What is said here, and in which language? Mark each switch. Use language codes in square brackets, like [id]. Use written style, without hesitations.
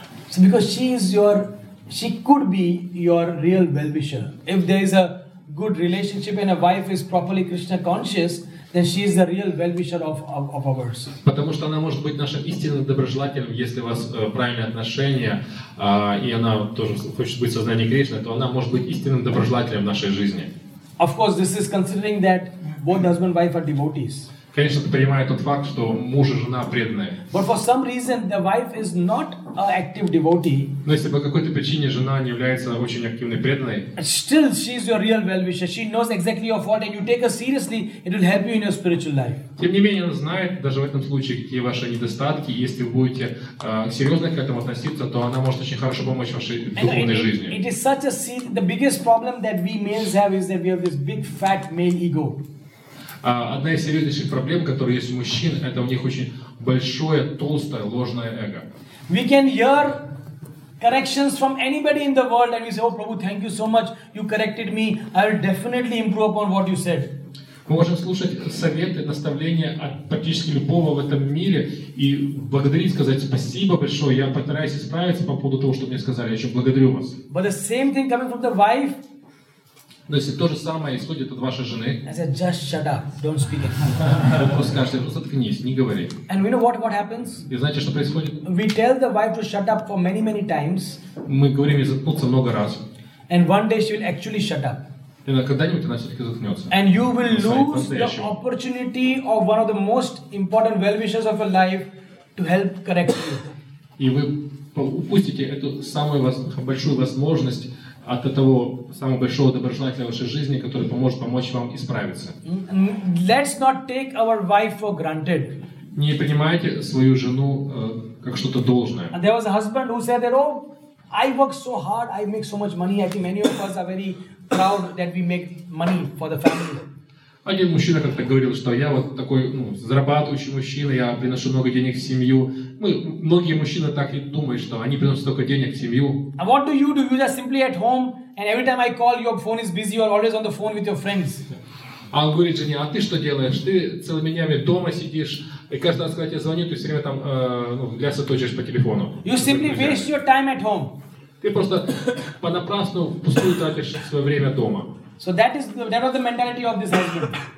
[en] So because she could be your real well-wisher. If there is a good relationship and a wife is properly Krishna conscious, then she is the real well-wisher of ours. [ru] Потому что она может быть нашим истинным доброжелателем, если у вас правильные отношения, и она тоже хочет быть в сознании Кришны, то она может быть истинным доброжелателем нашей жизни. [en] Of course, this is considering that both husband and wife are devotees. [ru] Конечно, это принимает тот факт, что муж и жена преданные. [en] But for some reason, the wife is not an active devotee. [ru] Но если по какой-то причине жена не является очень активной преданной. [en] Still, she is your real well-wisher. She knows exactly your fault, and you take her seriously. It will help you in your spiritual life. [ru] Тем не менее, она знает, даже в этом случае, какие ваши недостатки. Если вы будете серьезно к этому относиться, то она может очень хорошо помочь вашей духовной жизни. [en] It is such a sin. The biggest problem that we males have is that we have this big, fat male ego. [ru] Одна из серьезнейших проблем, которые есть у мужчин, это у них очень большое, толстое, ложное эго. [en] We can hear corrections from anybody in the world and we say, oh, Prabhu, thank you so much, you corrected me, I will definitely improve upon what you said. [ru] Мы можем слушать советы, наставления от практически любого в этом мире и благодарить, сказать спасибо большое, я постараюсь исправиться по поводу того, что мне сказали, я еще благодарю вас. [en] But the same thing coming from the wife. [ru] Но если то же самое исходит от вашей жены, [en] I said, just shut up, don't speak it. [ru] Вы просто скажете, просто заткнись, не говори. [en] And we know what happens? [ru] И знаете, что происходит? [en] We tell the wife to shut up for many, many times. [ru] Мы говорим ей заткнуться много раз. [en] And one day she will actually shut up. [ru] И она когда-нибудь она все-таки заткнется. [en] And you will lose the opportunity of one of the most important well-wishers of your life to help correct you. [ru] И вы упустите эту самую большую возможность от этого самого большого доброжелателя вашей жизни, который поможет помочь вам исправиться. [en] Let's not take our wife for granted. [ru] Не принимайте свою жену как что-то должное. [en] And there was a husband who said that, oh, I work so hard, I make so much money. I think many of us are very proud that we make money for the family. [ru] Один мужчина как-то говорил, что я вот такой зарабатывающий мужчина, я приношу много денег в семью. Многие мужчины так и думают, что они приносят столько денег в семью. [en] And what do? You are simply at home, and every time I call, your phone is busy, you're always on the phone with your friends. [ru] А он говорит жене, а ты что делаешь? Ты целыми днями дома сидишь, и каждый раз, когда тебе звонят, ты все время там лясы точишь по телефону. [en] You simply waste your time at home. [ru] Ты просто понапрасну впустую тратишь свое время дома. [en] So that was the mentality of this husband.